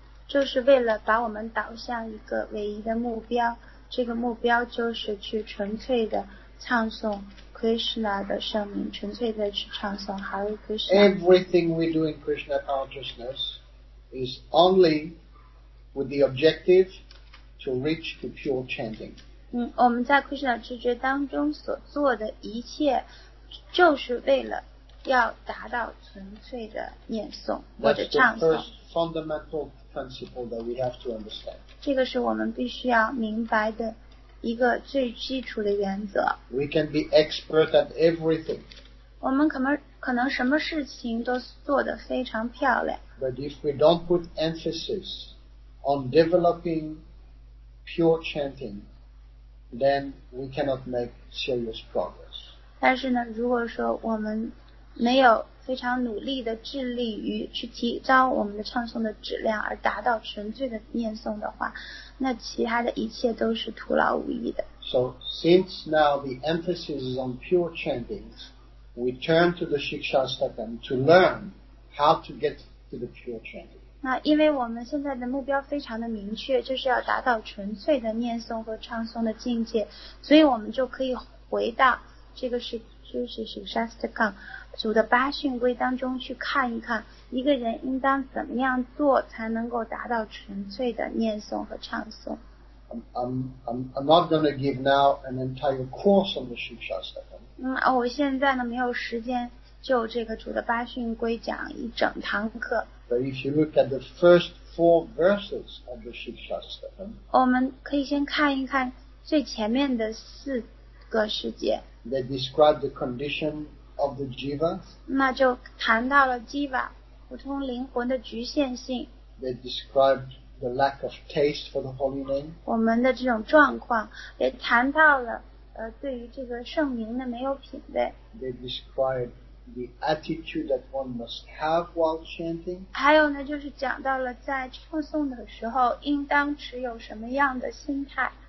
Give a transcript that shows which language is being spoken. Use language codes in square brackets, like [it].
[zh] 就是为了把我们导向一个唯一的目标，这个目标就是去纯粹的唱颂 Krishna 的圣名，纯粹的去唱颂 Hare Krishna。 [en] Everything we do in Krishna consciousness is only with the objective to reach the pure chanting。 [zh] 我们在 Krishna 知觉当中所做的一切就是为了要达到纯粹的念诵或者唱颂。 [en] That's the first fundamental principle that we have to understand。 [zh] 这个是我们必须要明白的一个最基础的原则。 [en] We can be expert at everything。 [zh] 我们可能什么事情都做得非常漂亮。 [en] But if we don't put emphasis on developing pure chanting, then we cannot make serious progress。 [zh] 但是呢，如果说我们没有非常努力的致力于去提高我们的唱诵的质量，而达到纯粹的念诵的话，那其他的一切都是徒劳无益的。 [en] So since now the emphasis is on pure chanting, we turn to the Shikshastakam to learn how to get to the pure chanting。 [zh] 那因为我们现在的目标非常的明确，就是要达到纯粹的念诵和唱诵的境界，所以我们就可以回到这个是就是 Shikshastakam 组的八训规当中去看一看，一个人应当怎么样做才能够达到纯粹的念诵和唱诵。 [en] I'm not going to give now an entire course on the Shikshastakam。 [zh] 我现在呢没有时间就这个组的八训规讲一整堂课。 [en] But if you look at the first four verses of the Shikshastakam, [zh] 我们可以先看一看最前面的四个世界。 [en] They describe the condition of the jiva. [zh] 那就谈到了 jiva 普通灵魂的局限性。 [en] They describe the lack of taste for the holy name. [zh] 我们的这种状况，也谈到了对于这个圣名的没有品味。 [en] They describe the attitude that one must have while chanting. [zh] 还有呢，就是讲到了在唱诵的时候应当持有什么样的心态。